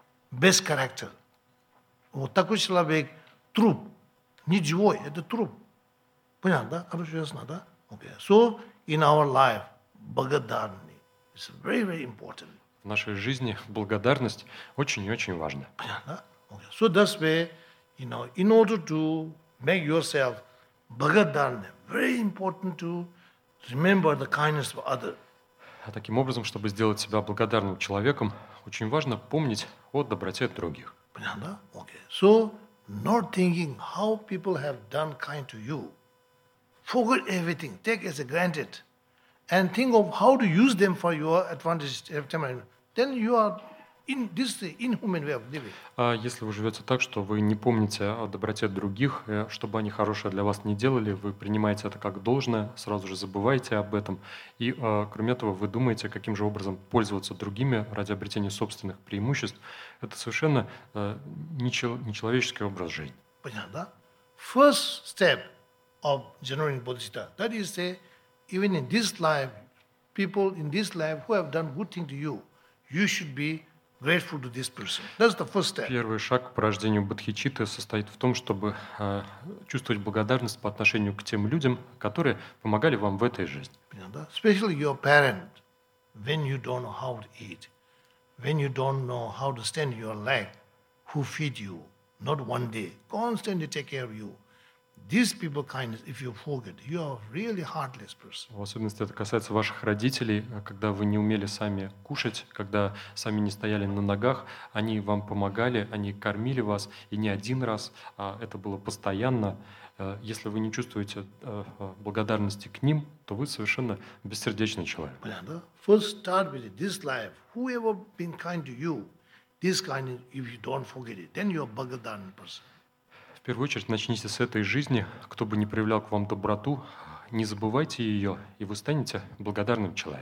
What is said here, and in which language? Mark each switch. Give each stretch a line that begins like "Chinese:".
Russian: Без характера. Вот такой человек – труп. Не живой, это труп. Понятно, да? Хорошо, ясно, да?
English: Okay. So, in our life,
Russian: благодарны.
English: It's very, very important.
Russian: В нашей жизни благодарность очень и очень важна. Понятно, да? Okay.
English: So, that's where, you know, in order to make yourself благодарны, very important to remember the kindness of others.
Russian: А таким образом, чтобы сделать себя благодарным человеком, очень важно помнить о доброте других. Понятно, да? Okay.
English: So, not thinking how people have done kind to you. Forget everything. Take as a granted. And think of how to use them for your advantage. Then you are in this inhuman way of living.
Russian: А если вы живете так, что вы не помните о доброте других, чтобы они хорошее для вас не делали, вы принимаете это как должное, сразу же забываете об этом. И кроме этого, вы думаете, каким же образом пользоваться другими ради обретения собственных преимуществ. Это совершенно нечеловеческий образ жизни. Понятно, да?
English: First step of genuine bodhicitta. That is say, even in this life, people in this life who have done good thing to you, you should be grateful to this person. That's the first step.
Russian: Первый шаг к порождению бодхичитты состоит в том, чтобы чувствовать благодарность по отношению к тем людям, которые помогали вам в этой жизни. Понятно, да?
English: Especially your parent, when you don't know how to eat, when you don't know how to stand your leg, who feed you, not one day, constantly take care of you. These people kindness, if you forget, you are really heartless person.
Russian: В особенности это касается ваших родителей, когда вы не умели сами кушать, когда сами не стояли на ногах, они вам помогали, они кормили вас, и не один раз, а это было постоянно. Если вы не чувствуете благодарности к ним, то вы совершенно бессердечный человек.
English: Понятно? First start with this life. Whoever been kind to you, this kindness, if you don't forget it, then you are благодарный person.
Russian: В первую очередь, начните с этой жизни. Кто бы ни проявлял к вам доброту, не забывайте ее, и вы станете благодарным